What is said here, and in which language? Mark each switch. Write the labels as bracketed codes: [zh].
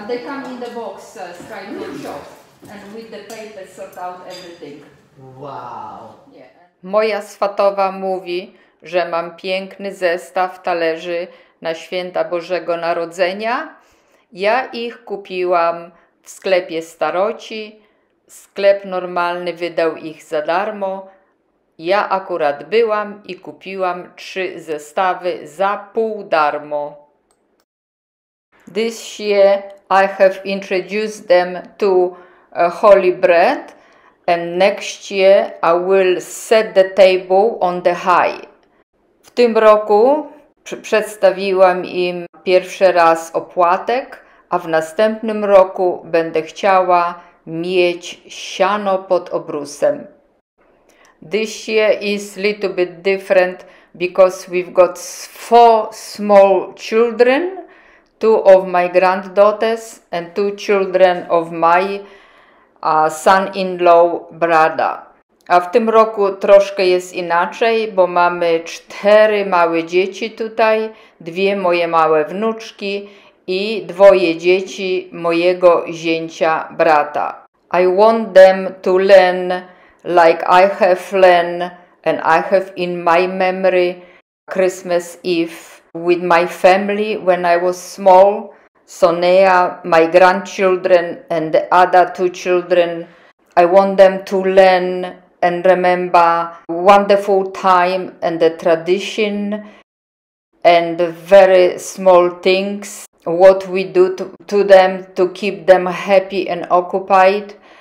[en] And they come in the box, Sky Food Shop, and with the paper sort out everything. Wow. Yeah. [pl] Moja swatowa mówi, że mam piękny zestaw talerzy na święta Bożego Narodzenia. Ja ich kupiłam w sklepie staroci. Sklep normalny wydał ich za darmo. Ja akurat byłam i kupiłam 3 zestawy za pół darmo. [en] This year I have introduced them to holy bread. And next year I will set the table on the high. [pl] W tym roku przedstawiłam im pierwszy raz opłatek, a w następnym roku będę chciała mieć siano pod obrusem. [en] This year is a little bit different because we've got 4 small children, 2 of my granddaughters and 2 children of my son-in-law brother. [pl] A w tym roku troszkę jest inaczej, bo mamy 4 małe dzieci tutaj, 2 moje małe wnuczki i 2 dzieci mojego zięcia brata. [en] I want them to learn like I have learned and I have in my memory Christmas Eve with my family when I was small. Sonea, my grandchildren and the other 2 children, I want them to learn and remember wonderful time and the tradition and the very small things, what we do to them to keep them happy and occupied.